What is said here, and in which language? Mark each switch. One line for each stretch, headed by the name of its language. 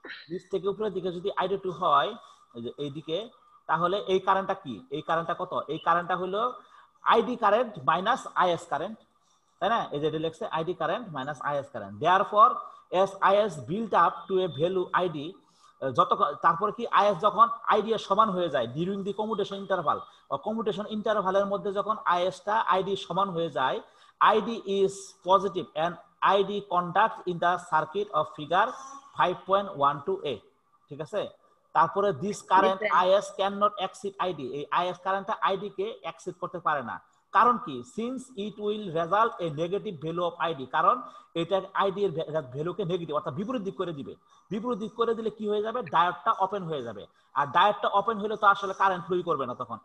Bangla: নিচ থেকে উপরের দিকে যদি আইডি টু হয় এই যে এইদিকে, তাহলে এই কারেন্টটা কি, এই কারেন্টটা কত, এই কারেন্টটা হলো ID current minus is current, তাই না? এই যে এটা লিখছে ID current minus is current,
English: therefore S IS built up to a value ID,
Bangla: যত তারপরে কি আইএস যখন আইডি এর সমান হয়ে যায়
English: during the commutation interval,
Bangla: commutation ইন্টারভালের মধ্যে যখন আইএসটা আইডি সমান হয়ে যায়
English: ID is positive and ID conduct in the circuit of figure 5.12a.
Bangla: ঠিক আছে? তারপরে
English: this current IS cannot exceed ID.
Bangla: এই IS current ID K exceed করতে পারে না. কারণ কি?
English: Since it will result a negative value of ID.
Bangla: কারণ এটা ID এর value কে negative অর্থাৎ বিপরীত দিক করে দিবে. বিপরীত দিক করে দিলে কি হয়ে যাবে? Diode টা open হয়ে যাবে. আর diode টা open হলে তো আসলে current flow করবে না তখন.